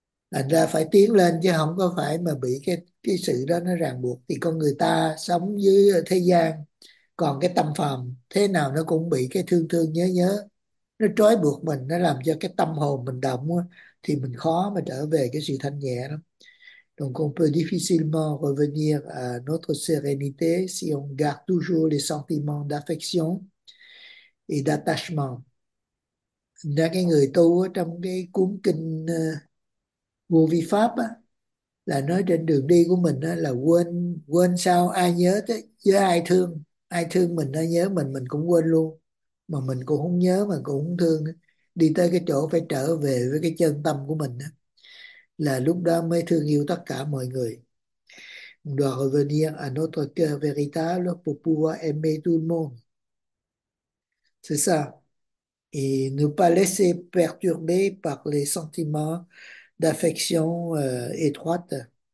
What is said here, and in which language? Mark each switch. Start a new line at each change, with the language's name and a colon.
Vietnamese: Thành ra phải tiến lên chứ không có phải mà bị cái sự đó nó ràng buộc. Thì con người ta sống dưới thế gian, còn cái tâm phàm thế nào nó cũng bị cái thương thương nhớ nhớ. Nó trói buộc mình, nó làm cho cái tâm hồn mình động á, thì mình khó mà trở về cái sự thanh nhẹ lắm.
French: Donc on peut difficilement revenir à notre sérénité si on garde toujours les sentiments d'affection et d'attachement.
Vietnamese: Là cái người tu ở trong cái cuốn kinh Vô Vi Pháp á, là nói trên đường đi của mình á, là quên quên sao ai nhớ tới với ai thương mình ai nhớ mình cũng quên luôn, mà mình cũng không nhớ mà cũng không thương. Đi tới cái chỗ phải trở về với cái chân tâm của mình á, là lúc đó mới thương yêu tất cả mọi người.
French: On doit revenir à notre cœur véritable pour pouvoir aimer tout le monde. C'est ça. Et ne pas laisser perturber par les sentiments d'affection étroite.